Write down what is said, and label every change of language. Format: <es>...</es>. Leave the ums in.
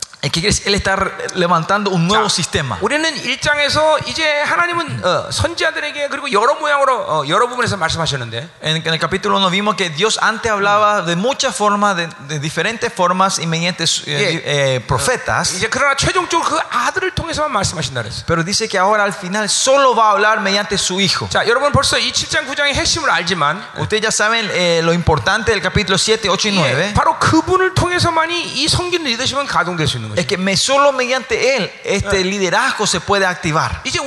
<es>que quiere decir? Él está levantando un nuevo 자, sistema.</es> <ko>1장에서 이제 하나님은 mm. 어, 선지자들에게 그리고 여러 모양으로 어, 여러 부분에서 말씀하셨는데.</ko> <es>En, en el capítulo 1 no vimos que Dios antes hablaba mm. de muchas formas, de, de diferentes formas y mediante eh, yeah. eh, profetas.</es> <ko>Uh, 이제 그러나 최종적으로 그 아들을 통해서만 말씀하신다 그랬어요.</ko> <es>Pero dice que ahora al final solo va a hablar mediante su hijo.</es> <ko>자, 여러분 벌써 이 7장 9장의 핵심을 알지만. Uh.</ko> <es>Ustedes ya saben eh, lo importante del capítulo 7, 8 y 9. Yeah.</es> <ko>바로 그분을 통해서만이 이 성긴 리더십은 가동될 수 있는 거예요.</ko> <es>Es que solo mediante él este sí. liderazgo se puede activar.</es>